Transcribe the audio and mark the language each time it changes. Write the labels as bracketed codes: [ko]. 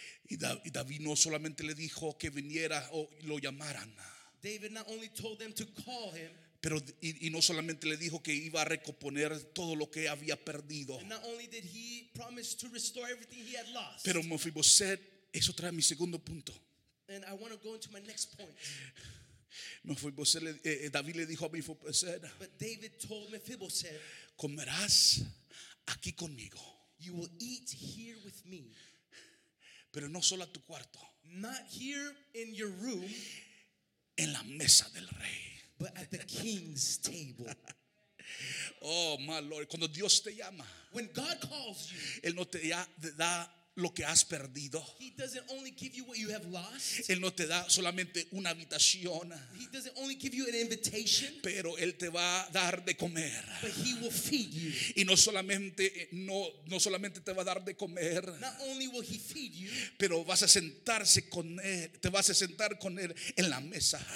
[es] Y David no solamente le dijo que viniera o lo llamaran. [en] David not only told them to call him, [es] pero y no solamente le dijo que iba a recomponer todo lo que había perdido. [en] And not only did he promise to restore everything he had lost. [es] Pero Mephibosheth, eso trae mi segundo punto. [en] And I want to go into my next point. [es] David le dijo a Mephibosheth, [en] but David told Mephibosheth, [es] comerás aquí conmigo. [en] You will eat here with me. [es] Pero no solo a tu cuarto. [en] Not here in your room. [es] En la mesa del rey. [en] But at the king's table. Oh, my Lord. [es] Cuando Dios te llama, [en] when God calls you, [es] él no te da lo que has perdido. [en] He doesn't only give you what you have lost. [es] Él no te da solamente una habitación. [en] He doesn't only give you an invitation. [es] Pero él te va a dar de comer. [en] But he will feed you. [es] Y no solamente te va a dar de comer. [en] Not only will he feed you. [es] Pero vas a sentarse con él. Te vas a sentar con él en la mesa.